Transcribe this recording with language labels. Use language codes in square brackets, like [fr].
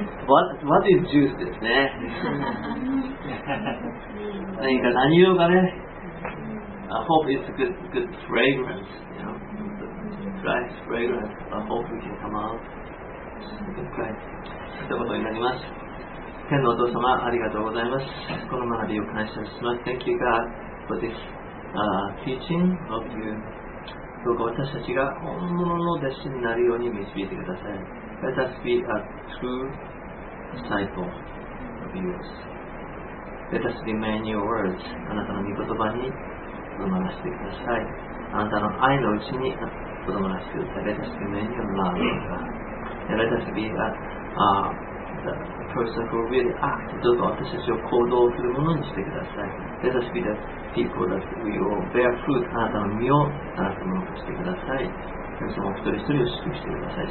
[en] What is juice [ja] ですね。何か何用かね。 [en] Hope is a good fragrance, you know. Christ's fragrance. I hope we can come out. Okay. [ja] ということになります。天のお父様、ありがとうございます。この学びを感謝します。 [en] Thank you, God, for this teaching of you. [ja] どうか私たちが本物の弟子になるように導いてください。 [en] Let us be a true disciple of yours. Let us remain your words. [ja] あなたの御言葉にとどまらせてください。あなたの愛のうちにとどまらせてください。 [en] Let us remain in love. Let us be the person who really act. [ja] どうか私たちを行動するものにしてください。 [en] Let us be the people that we will bear fruit. [ja] あなたの実をあなたのものとしてください。神様、一人一人を祝福してください。